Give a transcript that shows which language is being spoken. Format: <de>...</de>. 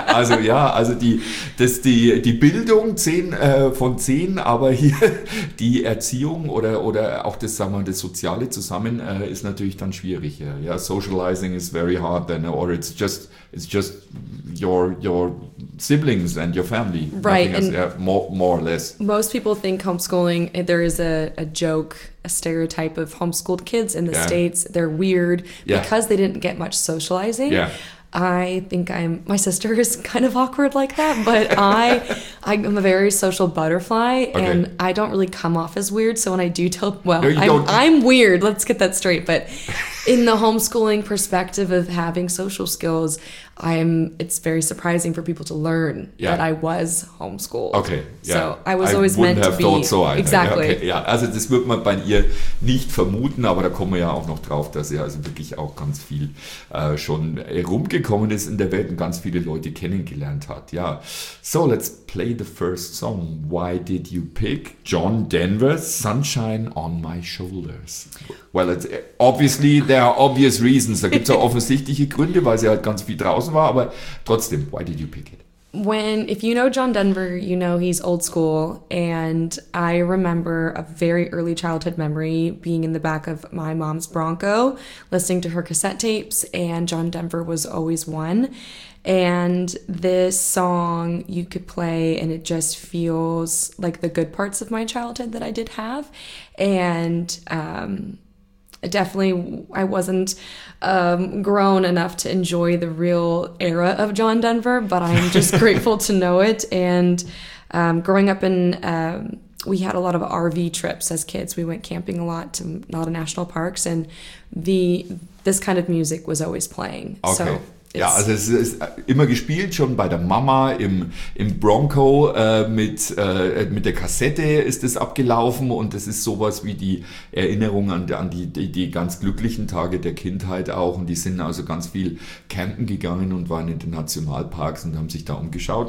<de>Also ja, also die Bildung 10 von 10, aber hier die Erziehung oder auch das, sagen wir mal, das Soziale zusammen ist natürlich dann schwierig.</de> <en>Ja, yeah, socializing is very hard then, or it's just your siblings and your family. Right. Nothing else, more or less. Most people think homeschooling, there is a joke, a stereotype of homeschooled kids in the yeah. States. They're weird yeah. because they didn't get much socializing. Yeah. I think my sister is kind of awkward like that, but I'm a very social butterfly okay. and I don't really come off as weird. So when I do tell, well, no, I'm weird. Let's get that straight. But in the homeschooling perspective of having social skills, It's very surprising for people to learn that I was homeschooled. Okay, So I was always meant to be. I wouldn't have thought so either. Exactly. Okay.</en> <de>Ja, also das wird man bei ihr nicht vermuten, aber da kommen wir ja auch noch drauf, dass sie also wirklich auch ganz viel schon herumgekommen ist in der Welt und ganz viele Leute kennengelernt hat.</de> <en>Ja, so let's play the first song. Why did you pick John Denver's Sunshine on My Shoulders? Well, it's obviously, there are obvious reasons.</en> <de>Da gibt es auch offensichtliche Gründe, weil sie halt ganz viel draußen war, aber trotzdem,</de> <en>why did you pick it? If you know John Denver, you know he's old school, and I remember a very early childhood memory being in the back of my mom's Bronco, listening to her cassette tapes, and John Denver was always one. And this song you could play and it just feels like the good parts of my childhood that I did have. And definitely I wasn't grown enough to enjoy the real era of John Denver, but I'm just grateful to know it. And growing up in, we had a lot of RV trips as kids. We went camping a lot to a lot of national parks, and this kind of music was always playing. Okay.</en> <de>So, ja, also es ist immer gespielt, schon bei der Mama im Bronco mit der Kassette ist es abgelaufen und das ist sowas wie die Erinnerung an die ganz glücklichen Tage der Kindheit auch. Und die sind also ganz viel campen gegangen und waren in den Nationalparks und haben sich da umgeschaut.</de>